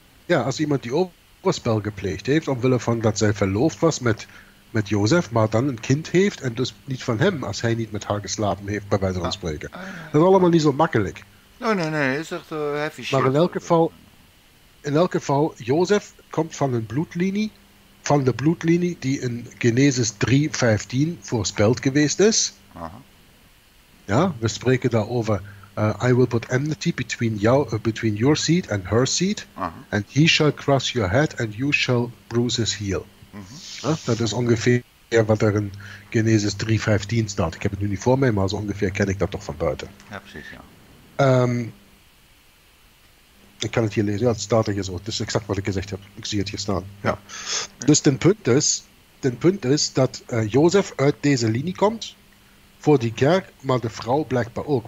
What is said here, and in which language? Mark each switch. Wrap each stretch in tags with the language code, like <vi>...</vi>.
<nl>Als iemand die overspel gepleegd heeft, omwille van dat zij verloofd was met Jozef, maar dan een kind heeft en dus niet van hem, als hij niet met haar geslapen heeft, bij wijze van spreken. Dat is allemaal niet zo makkelijk. Nee, is echt</nl> <en>heavy shit.</en> <nl>Maar in elk geval, Jozef komt van een bloedlinie, van de bloedlinie die in Genesis 3:15 voorspeld geweest is. Aha. Ja, we spreken daarover...</nl> <en>I will put enmity between your seed and her seed, uh-huh. and he shall crush your head and you shall bruise his heel. Uh-huh.</en> <nl>Dat is ongeveer wat er in Genesis 3:15 staat. Ik heb het nu niet voor mij, maar zo ongeveer ken ik dat toch van buiten. Ja, precies, ja. Ik kan het hier lezen. Ja, het staat er hier zo. Het is exact wat ik gezegd heb. Ik zie het hier staan. Ja. Dus den punt is dat Jozef uit deze linie komt, voor die kerk, maar de vrouw blijkbaar ook.</nl>